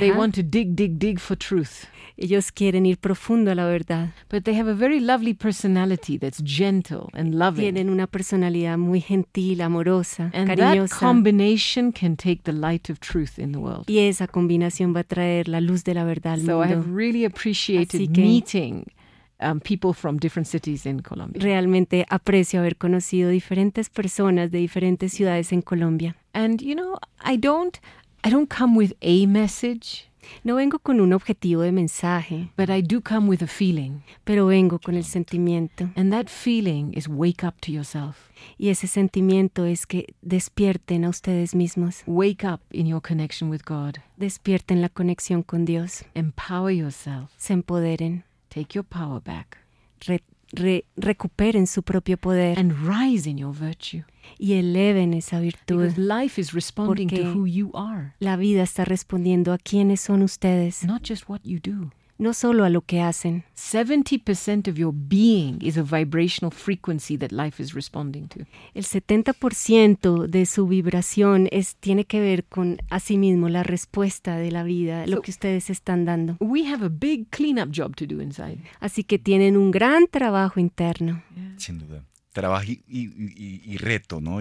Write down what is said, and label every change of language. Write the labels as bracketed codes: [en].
[en] They want to dig for truth. [es] Ellos quieren ir profundo a la verdad. [en] But they have a very lovely personality that's gentle and loving. [es] Tienen una personalidad muy gentil, amorosa, [en] and [es] cariñosa. [en] That combination can take the light of truth in the world. [es] Y esa combinación va a traer la luz de la verdad al [en] so [es] mundo. [en] So I have really appreciated meeting people from different cities in Colombia. [es] Realmente aprecio haber conocido diferentes personas de diferentes ciudades en Colombia. [en] And you know, I don't come with a message. [es] No vengo con un objetivo de mensaje. [en] But I do come with a feeling. [es] Pero vengo con el sentimiento. [en] And that feeling is wake up to yourself. [es] Y ese sentimiento es que despierten a ustedes mismos. [en] Wake up in your connection with God. [es] Despierten la conexión con Dios. [en] Empower yourself. [es] Se empoderen. [en] Take your power back. [es] Recuperen su propio poder. [en] And rise in your virtue. [es] Y eleven esa virtud. [en] Because life is responding [es] Porque [en] to who you are. [es] La vida está respondiendo a quiénes son ustedes. [en] Not just what you do. [es] No solo a lo que hacen. [en] 70% of your being is a vibrational frequency that life is responding to. [es] El 70% de su vibración tiene que ver con a sí mismo, la respuesta de la vida, so lo que ustedes están dando. [en] We have a big cleanup job to do inside. [es] Así que tienen un gran trabajo interno. Yeah. Sin duda. Trabajo y reto, ¿no?